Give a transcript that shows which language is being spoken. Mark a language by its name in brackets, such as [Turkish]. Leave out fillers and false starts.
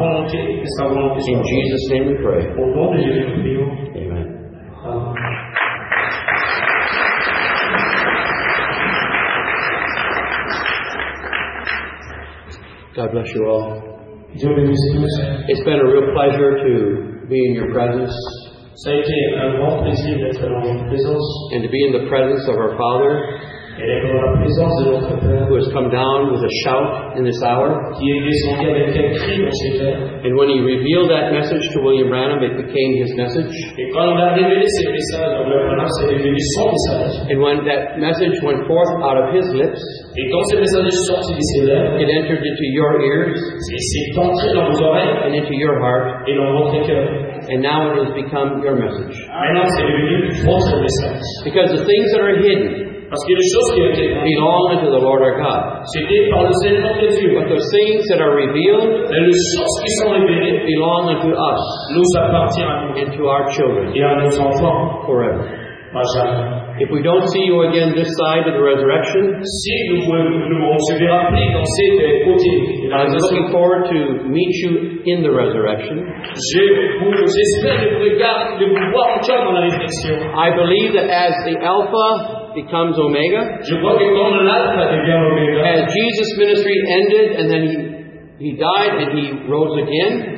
[English] In Jesus' name we pray. Amen. God bless you all. It's been a real pleasure to be in your presence. [French] Ça a été un grand plaisir d'être dans votre présence. [English] And to be in the presence of our Father, [French] et d'être dans la présence de notre Père, [English] who has come down with a shout in this hour. [French] Qui est descendu avec un cri en cette heure. [English] And when he revealed that message to William Branham, it became his message. [French] Et quand il a révélé ce message à William Branham, c'est devenu son message. [English] And when that message went forth out of his lips, [French] et quand ce message est sorti de ses lèvres, [English] it entered into your ears, [French] c'est entré dans vos oreilles, [English] and into your heart, [French] et dans votre cœur. [English] And now it has become your message. [French] Maintenant, c'est devenu votre message. [English] Because the things that are hidden, [French] parce que les choses qui étaient [English] belong unto the Lord our God. [French] C'était par le Seigneur de Dieu. [English] But the things that are revealed, [French] mais les choses qui sont révélées, [English] belong unto us, [French] nous appartient à nous, [English] and to our children, [French] et à nos enfants, [English] forever. [French] À jamais. [English] If we don't see you again this side of the resurrection, [French] si nous se verra plus dans cette côté, [English] I'm looking forward to meet you in the resurrection. I believe that as the Alpha becomes Omega, [French] je crois que comme l'Alpha devient Omega, [English] as Jesus' ministry ended and then he died and he rose again,